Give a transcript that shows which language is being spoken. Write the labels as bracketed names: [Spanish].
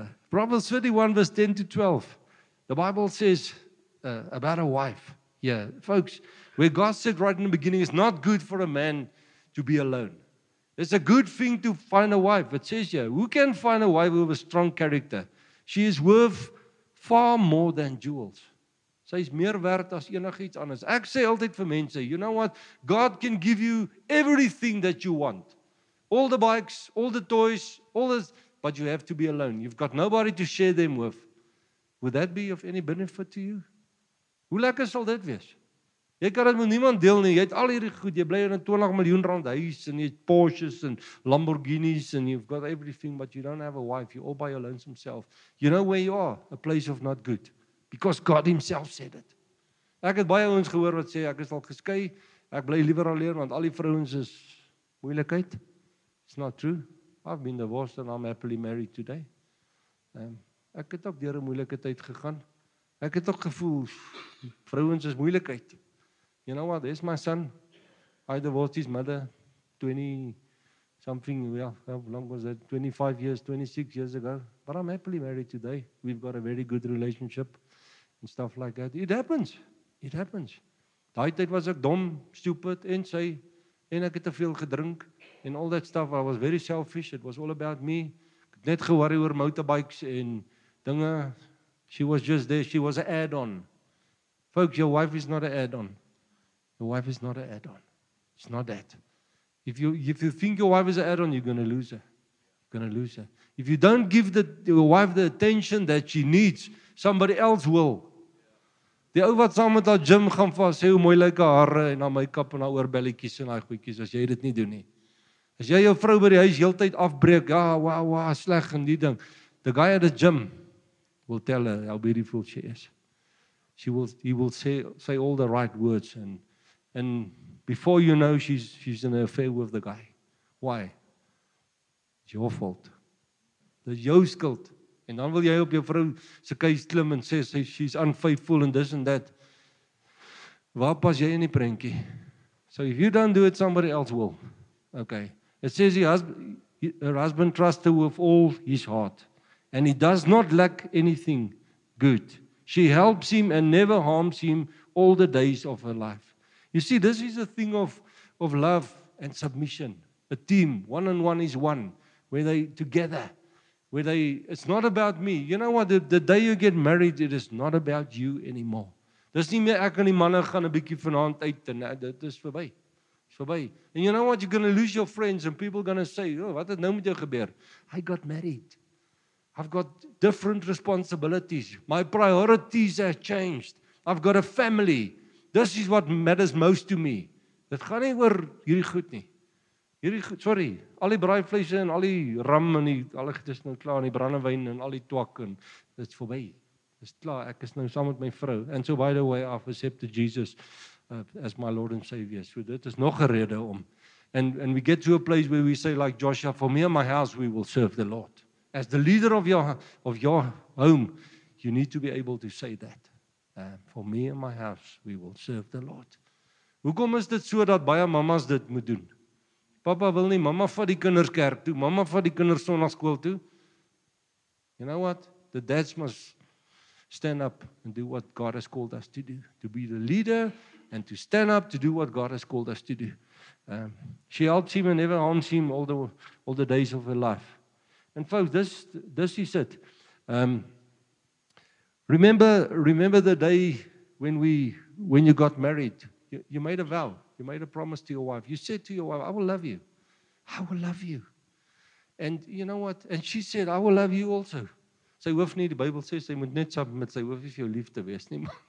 [English] Proverbs 31 verse 10 to 12, the Bible says, about a wife. Yeah, folks, where God said right in the beginning, it's not good for a man to be alone. It's a good thing to find a wife. It says here, who can find a wife with a strong character? She is worth far more than jewels. [Afrikaans] Sy is meer werd as enigiets anders. Ek sê altyd vir mense, [English] you know what? God can give you everything that you want. All the bikes, all the toys, all this, but you have to be alone. You've got nobody to share them with. Would that be of any benefit to you? [Afrikaans] Hoe lekker sal dit wees? Jy kan dit met niemand deel nie. Jy het al hierdie goed. Jy bly in 'n 20 miljoen rand huis en jy het Porsches en Lamborghinis [English] and you've got everything, but you don't have a wife. You're all by your lonesome self. You know where you are? A place of not good. Because God himself said it. [Afrikaans] Ek het baie ouens gehoor wat sê, ek is al geskei, ek bly liever alleen, want al die vrouens is moeilikheid. [English] It's not true. I've been divorced and I'm happily married today. [Afrikaans] Ek het ook deur 'n moeilike tyd gegaan. Ek het ook gevoel, vrouens is moeilikheid. [English] You know what, there's my son. I divorced his mother 20 something, yeah, how long was that? 25 years, 26 years ago. But I'm happily married today. We've got a very good relationship and stuff like that. It happens. It happens. [Afrikaans] Daai tyd was ek dom, stupid, en sy, en ek het te veel gedrink, [English] and all that stuff. I was very selfish. It was all about me. [Afrikaans] Net gewarry oor motorbikes en dinge. [English] She was just there. She was an add-on. Folks, your wife is not an add-on. Your wife is not an add-on. It's not that. If you think your wife is an add-on, you're going to lose her. You're going to lose her. If you don't give your wife the attention that she needs, somebody else will. [Afrikaans] Die ou wat saam met haar gym gaan vas, sê hoe mooi lyk haar hare en haar make-up en haar oorbelletjies en haar goedjies, as jy dit nie doen nie. As jy jou vrou by die huis heeltyd afbreek, ja, wow, sleg en die ding. [English] The guy at the gym will tell her how beautiful she is. He will say all the right words, and before you know, she's in an affair with the guy. Why? It's your fault. It's [Afrikaans] jou skuld. En dan wil jy op jou vrou se keus klim en sê [English] she's unfaithful and this and that. [Afrikaans] Waar pas jy in die prentjie? [English] So if you don't do it, somebody else will. Okay. It says her husband trusts her with all his heart. And he does not lack anything good. She helps him and never harms him all the days of her life. You see, this is a thing of love and submission. A team. One and one is one. Where they together. Where they, it's not about me. You know what? The day you get married, it is not about you anymore. [Afrikaans] Dis nie meer ek en die manne gaan 'n bietjie vanaand uit. Dit is verby. Verby. [English] And you know what? You're going to lose your friends and people are going to say, oh, [Afrikaans] wat het nou met jou gebeur? [English] I got married. I've got different responsibilities. My priorities have changed. I've got a family. This is what matters most to me. [Afrikaans] Dit gaan nie oor hierdie goed nie. Hierdie goed, sorry. Al die braai vleise en al die ram en alles is nou klaar en die brandewyn en al die twak en dit's verby. Dit's klaar. Ek is nou saam met my vrou. [English] And so by the way, I've accepted Jesus as my Lord and Savior. [Afrikaans] So dit is nog 'n rede om. [English] And we get to a place where we say like Joshua, for me and my house we will serve the Lord. As the leader of your home, you need to be able to say that. For me and my house, we will serve the Lord. [Afrikaans] Hoekom is dit so dat baie mamas dit moet doen? Papa wil nie, mamma vat die kinders kerk toe, mamma vat die kinders sonnaskool toe. [English] You know what? The dads must stand up and do what God has called us to do. To be the leader and to stand up to do what God has called us to do. She helps him and never harms him all the days of her life. And folks, this is it. Remember the day when you got married. You made a vow. You made a promise to your wife. You said to your wife, "I will love you. I will love you." And you know what? And she said, "I will love you also." [Afrikaans] Sy hoef nie, die Bybel sê, sy moet net saam met sy hoef nie vir jou lief te wees nie.